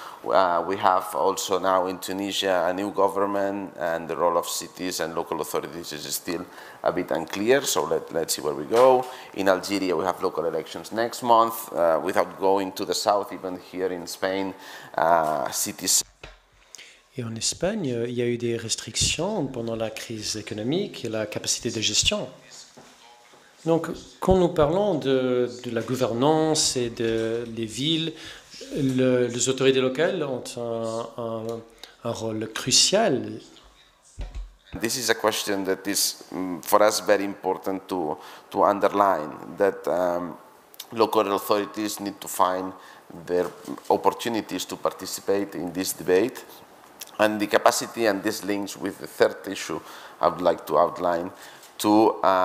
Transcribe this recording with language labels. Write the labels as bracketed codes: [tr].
[en] We have also now in Tunisia a new government, and the role of cities and local authorities is still a bit unclear, so let's see where we go. In Algeria, we have local elections next month. Without going to the south, even here in Spain, cities. [fr] Et en Espagne, il y a eu des restrictions pendant la crise économique et la capacité de gestion. Donc, quand nous parlons de la gouvernance et des villes, les autorités locales ont un rôle crucial. [en] This is a question that is for us very important to underline, that local authorities need to find their opportunities to participate in this debate. And the capacity and these links with the third issue I would like to outline to